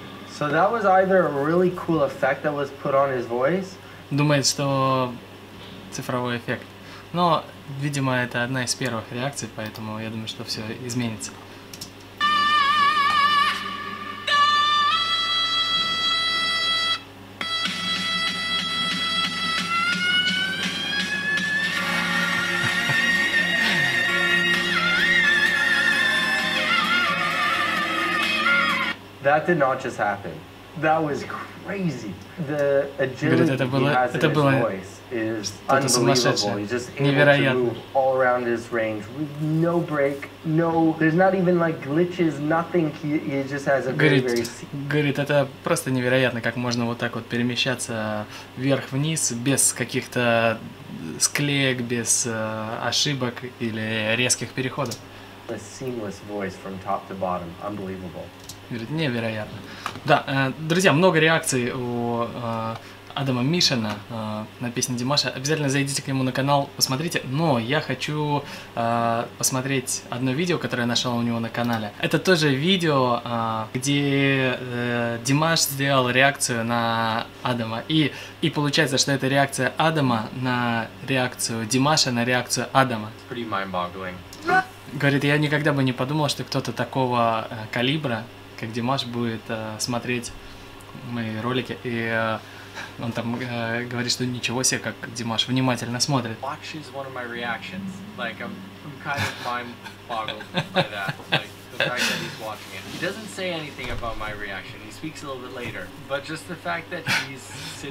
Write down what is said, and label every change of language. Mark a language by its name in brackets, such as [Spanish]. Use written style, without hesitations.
[English] So that was either a really cool effect that was put on his voice. [Russian] Думает, что цифровой эффект. Но, видимо, это одна из первых реакций, поэтому я думаю, что все изменится. [English] That did not just happen. That was crazy. The agility he has in his voice is unbelievable. He's just able to move all around his range with no break, no. There's not even like glitches, nothing. He just has a [Russian] Говорит, это просто невероятно, как можно вот так вот перемещаться вверх-вниз без каких-то склеек, без ошибок или резких переходов. [English] A seamless voice from top to bottom. Unbelievable. [Russian] Говорит, невероятно. Да, друзья, много реакций у Адама Мишина на песню Димаша. Обязательно зайдите к нему на канал, посмотрите. Но я хочу посмотреть одно видео, которое я нашел у него на канале. Это тоже видео, где Димаш сделал реакцию на Адама. И получается, что это реакция Адама на реакцию Димаша на реакцию Адама. [English] It's pretty mind-boggling. [Russian] Говорит, я никогда бы не подумал, что кто-то такого калибра, как Димаш, будет смотреть мои ролики, и он там говорит, что ничего себе, как Димаш внимательно смотрит. [English] Watches one of my reactions. Like, I'm kind of mind-boggled by that, like, the fact that he's watching it. He doesn't say anything about my reaction, he speaks a little bit later, but just the fact that he's sitting